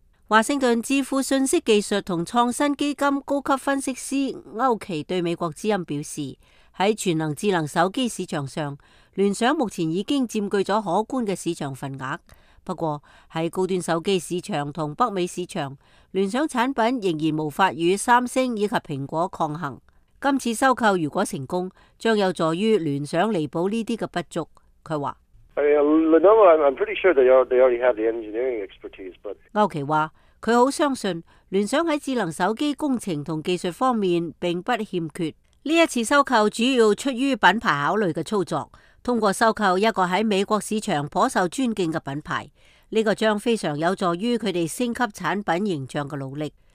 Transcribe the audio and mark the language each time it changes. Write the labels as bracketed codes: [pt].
[zh] 华盛顿智库信息技术和创新基金高级分析师欧奇对美国之音表示，在全能智能手机市场上，联想目前已经占据了可观的市场份额。不过，在高端手机市场和北美市场，联想产品仍然无法与三星以及苹果抗衡。今次收购如果成功，将有助于联想弥补这些的不足。他说 [en] Lenovo, I'm pretty sure they already have the engineering expertise, but [zh] 欧奇说，他很相信联想在智能手机工程和技术方面并不欠缺。这一次收购主要出于品牌考虑的操作，通过收购一个在美国市场颇受尊敬的品牌，这个将非常有助于他们升级产品形象的努力。